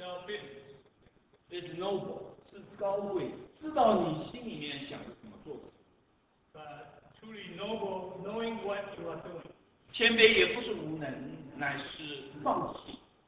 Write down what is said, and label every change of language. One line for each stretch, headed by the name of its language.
English: self-pity is noble,
Chinese: 是高贵，知道你心里面想的怎么做的。
English: But truly noble, knowing what you are doing.
Chinese: 谦卑也不是无能，乃是放弃。